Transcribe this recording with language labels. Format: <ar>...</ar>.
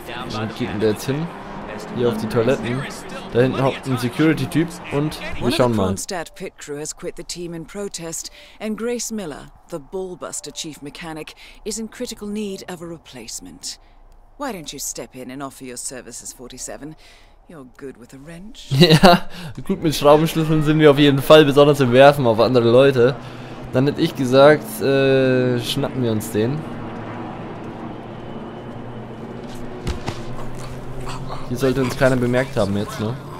<de>Wo geht denn der jetzt hin? Hier auf die Toiletten. Da hinten hockt ein Security-Typ und wir schauen mal.</de> <en>One of the Kronstadt Pit Crew has quit the team in protest and Grace Miller, the Ballbuster Chief Mechanic, is in critical need of a replacement. Why don't you step in and offer your services, 47? You're good with a wrench.</en> <de>Ja, gut, mit Schraubenschlüsseln sind wir auf jeden Fall, besonders im Werfen auf andere Leute. Dann hätte ich gesagt, schnappen wir uns den. Hier sollte uns keiner bemerkt haben jetzt, ne?</de>